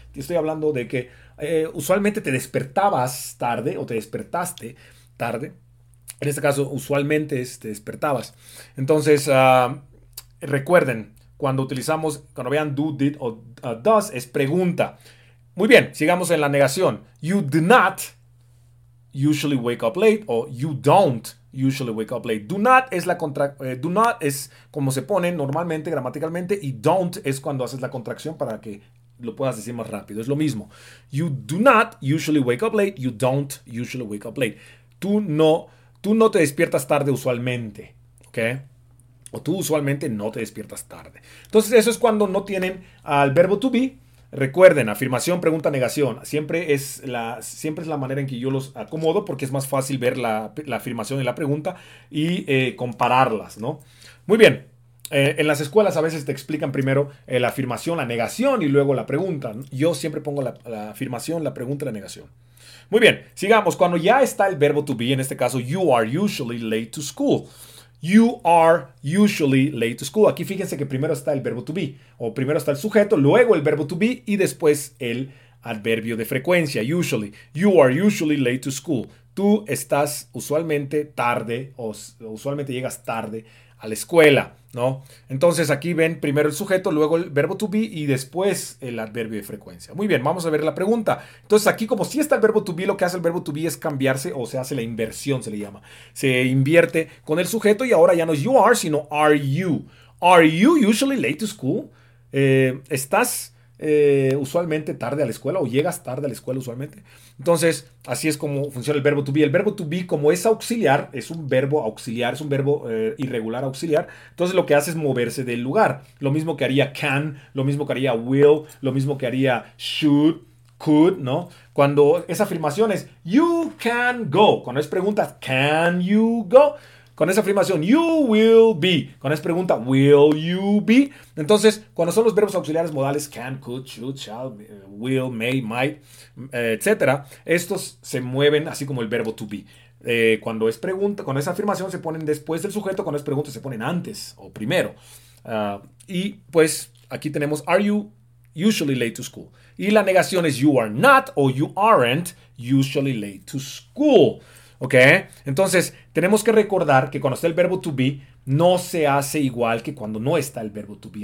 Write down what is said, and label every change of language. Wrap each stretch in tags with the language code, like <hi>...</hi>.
<es>Y estoy hablando de que usualmente te despertabas tarde o te despertaste tarde. En este caso, usualmente te despertabas. Entonces, recuerden, cuando vean do, did o does, es pregunta. Muy bien, sigamos en la negación.</es> <en>You do not usually wake up late, o you don't usually wake up late.</en> <es>Do not es la contracción, do not es como se pone normalmente, gramaticalmente, y don't es cuando haces la contracción para que lo puedas decir más rápido. Es lo mismo.</es> <en>You do not usually wake up late, you don't usually wake up late.</en> <es>Tú no te despiertas tarde usualmente, ¿ok? O tú usualmente no te despiertas tarde. Entonces, eso es cuando no tienen al verbo to be. Recuerden, afirmación, pregunta, negación. Siempre es la manera en que yo los acomodo porque es más fácil ver la afirmación y la pregunta y compararlas, ¿no? Muy bien. En las escuelas a veces te explican primero la afirmación, la negación y luego la pregunta, ¿no? Yo siempre pongo la afirmación, la pregunta y la negación. Muy bien, sigamos. Cuando ya está el verbo to be, en este caso,</es> <en>you are usually late to school. You are usually late to school.</en> <es>Aquí fíjense que primero está el verbo to be, o primero está el sujeto, luego el verbo to be y después el adverbio de frecuencia, usually.</es> <en>You are usually late to school.</en> <es>Tú estás usualmente tarde o usualmente llegas tarde a la escuela, ¿no? Entonces aquí ven primero el sujeto, luego el verbo to be y después el adverbio de frecuencia. Muy bien, vamos a ver la pregunta. Entonces aquí, como sí está el verbo to be, lo que hace el verbo to be es cambiarse, o se hace la inversión, se le llama. Se invierte con el sujeto y ahora ya no es you are, sino are you.</es> <en>Are you usually late to school?</en> <es>¿Estás usualmente tarde a la escuela o llegas tarde a la escuela usualmente? Entonces, así es como funciona el verbo to be. El verbo to be, como es auxiliar, es un verbo auxiliar, es un verbo irregular auxiliar. Entonces, lo que hace es moverse del lugar. Lo mismo que haría can, lo mismo que haría will, lo mismo que haría should, could, ¿no? Cuando esa afirmación es</es> <en>you can go,</en> <es>cuando es pregunta,</es> <en>can you go?</en> <es>Con esa afirmación,</es> <en>you will be.</en> <es>Con esa pregunta,</es> <en>will you be?</en> <es>Entonces, cuando son los verbos auxiliares modales, can, could, should, shall, will, may, might, etc., estos se mueven así como el verbo to be. Cuando es pregunta, con esa afirmación se ponen después del sujeto, cuando es pregunta se ponen antes o primero. Y pues aquí tenemos,</es> <en>are you usually late to school.</en> <es>Y la negación es</es> <en>you are not o you aren't usually late to school.</en> <es>¿Ok? Entonces, tenemos que recordar que cuando está el verbo to be, no se hace igual que cuando no está el verbo to be.</es>